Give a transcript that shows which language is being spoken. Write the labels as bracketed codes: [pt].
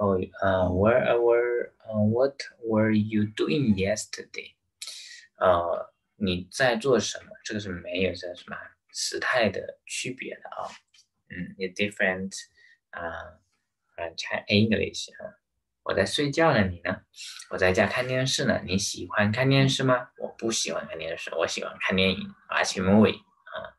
[en] What were you doing yesterday？ [zh] 你在做什么？这个是没有这什么时态的区别的啊。 [en] It's different from English 啊。 [zh] 我在睡觉呢，你呢？我在家看电视呢。你喜欢看电视吗？我不喜欢看电视，我喜欢看电影， [en] watch movie [zh] 啊。